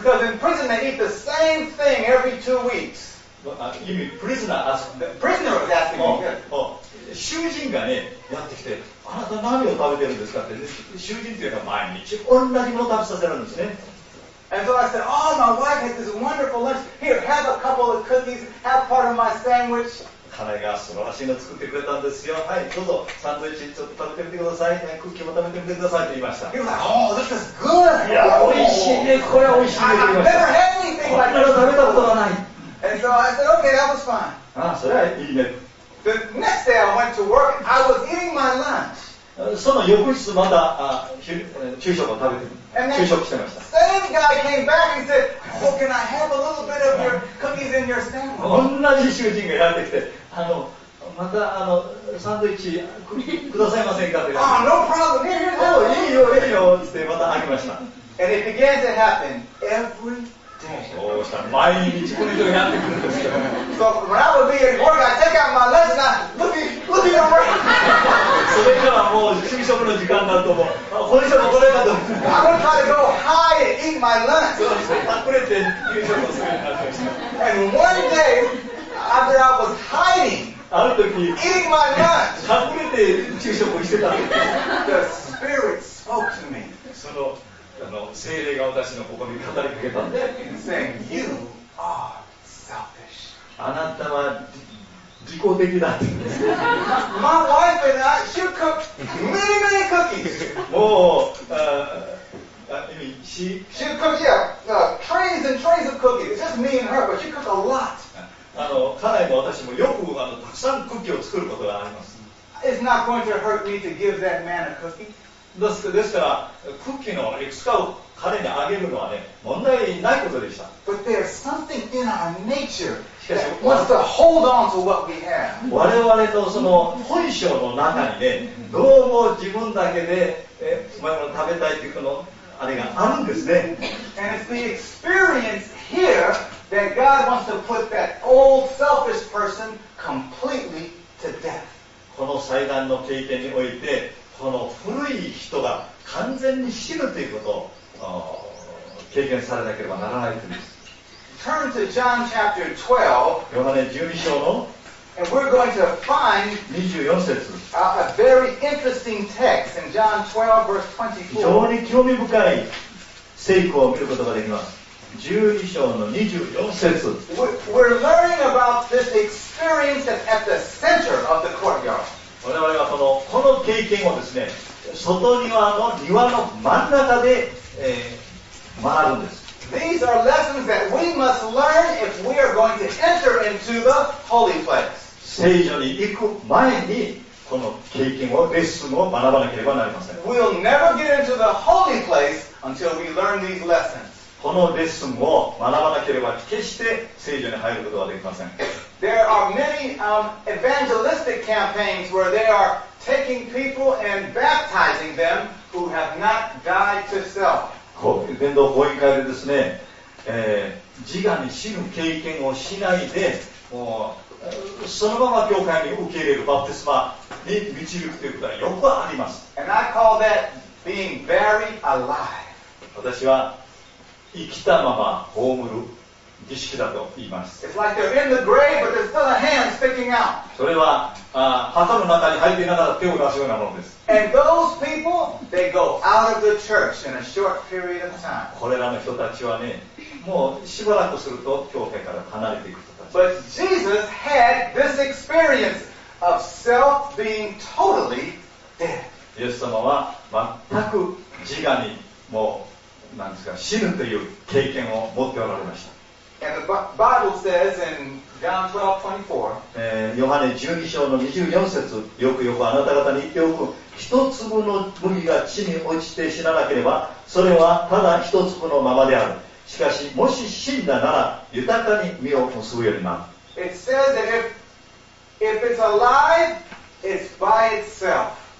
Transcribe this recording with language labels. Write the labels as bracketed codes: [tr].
[en] Because in prison they eat the same thing every two weeks. You mean prisoner asking? Prisoner was asking me. [ja] 囚人がね、やってきて、あなた何を食べてるんですかって、ね、囚人というか毎日同じものを食べさせるんですね。 [en] And so I said, Oh, my wife has this wonderful lunch. Here, have a couple of cookies, have part of my sandwich. [ja] 彼が素晴らしいのを作ってくれたんですよ。はい、どうぞ、サンドイッチちょっと食べてみてください。クッキーも食べてみてくださいと言いました。 [en] He was like, Oh, this is good. [ja] いや、美味しいね。これは美味しいね。 [en] I've never had anything like this. [ja] こんなの食べたことがない。 [en] And so I said, Okay, that was fine. [ja] それはいいね。 [en] The next day I went to work, I was eating my lunch. [ja] その翌日まだ昼食を食べて昼食してました。 [en] Same guy came back and said, "Oh, can I have a little bit of your cookies in your sandwich?" [ja] 同じ囚人がやってきて、またサンドイッチくださいませんかって。 [en] Ah, no problem. Here, here, here. Oh, [ja] いいよ、いいよ。ってまたあげました。 [en] And it began to happen every day. [ja] そうした毎日この人がやってくるんですよ。 [en] So when I would be at work, I take out my lunch and look at your work. [ja] それからもう昼食の時間だと思う。本職はこれだと思う。 [en] I would try to go hide and eat my lunch. [ja] そうですね。隠れて昼食をするようになってました。 [en] And one day, after I was hiding, [ja] ある時、 [en] eating my lunch, [ja] 隠れて昼食をしてたんです。 [en] The Spirit spoke to me. [ja] その、精霊が私のここに語りかけたんで。 [en] Saying, you are selfish. [ja] あなたは、自己的だって言うんです。 [en] My wife and I should cook many, many cookies. [ja] もう、 [en] She cooks, yeah, trays and trays of cookies. It's just me and her, but she cooks a lot. [ja] 家内も私もよくたくさんクッキーを作ることがあります。 [en] It's not going to hurt me to give that man a cookie. [ja] ですから、クッキーのエクスカを彼にあげるのはね、問題ないことでした。 [en] But there's something in our nature. Wants to hold on to what we have. [ja] 我々のその本性の中にね、どうも自分だけで、食べたいというこのあれがあるんですね。 [en] And it's the experience here that God wants to put that old selfish person completely to death. [ja] この祭壇の経験において、この古い人が完全に死ぬということを経験されなければならないんです。 [en] Turn to John chapter 12. [ja] ヨハネ12章の [en] And we're going to find [ja] 24節 [en] a very interesting text in John 12 verse 24. [ja] 非常に興味深い聖句を見ることができます。 12章の24節 [en] We're learning about this experience that's at the center of the courtyard. [ja] 我々はこの経験をですね、外庭の庭の真ん中で、学ぶんです。 [en] These are lessons that we must learn if we are going to enter into the holy place. [ja] 聖所に行く前にこの経験をレッスンを学ばなければなりません。 [en] We'll never get into the holy place until we learn these lessons. [ja] このレッスンを学ばなければ決して聖所に入ることはできません。 [en] There are many evangelistic campaigns where they are taking people and baptizing them who have not died to self. [ja] こういう伝道法に変えるですね、自我に死ぬ経験をしないで、もうそのまま教会に受け入れるバプテスマに導くということはよくあります。 [en] And I call that being very alive. [ja] 私は生きたまま葬る儀式だと言います。 [en] It's like they're in the grave, but there's still a hand sticking out. [ja] それは墓の中に入っていながら手を出すようなものです。 [en] And those people, they go out of the church in a short period of time. [ja] これらの人たちはね、もうしばらくすると教会から離れていく。 [en] But Jesus had this experience of self being totally dead. [ja] イエス様は全く自我にもう何ですか死ぬという経験を持っておられました。 [en] And the Bible says in John 12:24, [ja] ヨハネ12章の24節、よくよくあなた方に言っておく、一粒の麦が地に落ちて死ななければ、それはただ一粒のままである。しかしもし死んだなら豊かに実を結ぶようになる。 [en] It says that if it's alive, it's by itself.